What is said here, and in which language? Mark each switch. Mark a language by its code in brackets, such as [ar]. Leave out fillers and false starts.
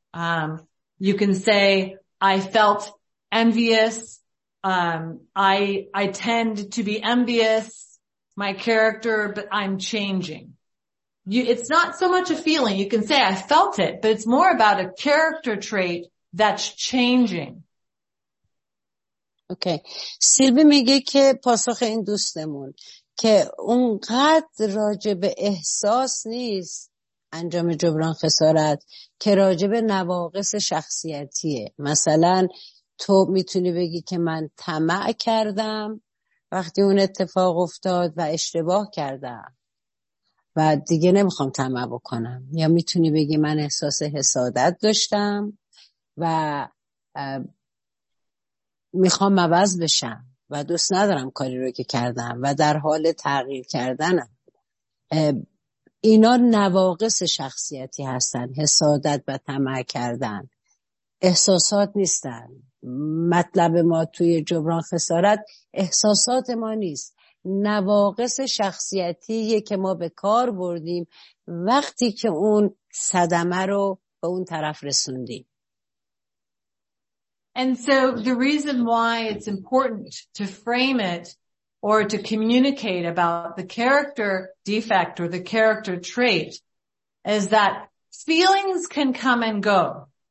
[en] You can say I felt envious. I tend to be envious, my character, but I'm changing. It's not so much a feeling. You can say I felt it, but it's more about a character trait that's changing. Okay. [fa] Silvi میگه که پاسخ این دوستمون که اونقدر راجب احساس نیست انجام جبران خسارت که راجب نواقص شخصیتیه. مثلا تو میتونی بگی که من طمع کردم وقتی اون اتفاق افتاد و اشتباه کردم و دیگه نمیخوام طمع بکنم، یا میتونی بگی من احساس حسادت داشتم و میخوام عوض بشم و دوست ندارم کاری رو که کردم و در حال تغییر کردنم. اینا نواقص شخصیتی هستن، حسادت و طمع کردن احساسات نیستن. مطلب ما توی جبران خسارت احساسات ما نیست، نواقص شخصیتیه که ما به کار بردیم وقتی که اون صدمه رو به اون طرف رسوندیم. [en] And so the reason why it's important to frame it or to communicate about the character defect or the character trait is that feelings can come and go.